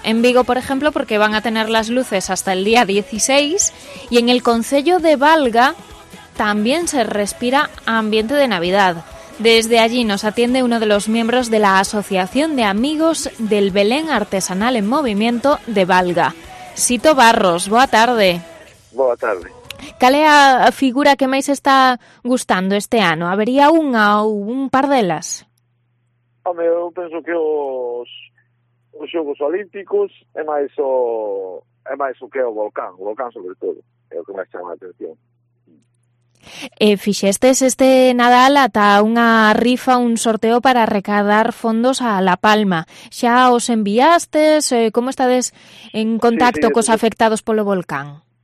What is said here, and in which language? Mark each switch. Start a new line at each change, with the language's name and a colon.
Spanish: En Vigo, por ejemplo, porque van a tener las luces hasta el día 16. Y en el Concello de Valga también se respira ambiente de Navidad. Desde allí nos atiende uno de los miembros de la Asociación de Amigos del Belén Artesanal en Movimiento de Valga.
Galician: Sito Barros, boa tarde. Boa tarde. Cale a figura que máis está gustando este ano? Habería unha ou un par delas? Home, eu penso que os Xogos Olímpicos é máis o que é o volcán sobre todo, é o que máis chama a atención. Fixestes este Nadal ata unha rifa, un sorteo para arrecadar fondos a La Palma. Xa os enviastes? Como estades en contacto cos afectados polo volcán?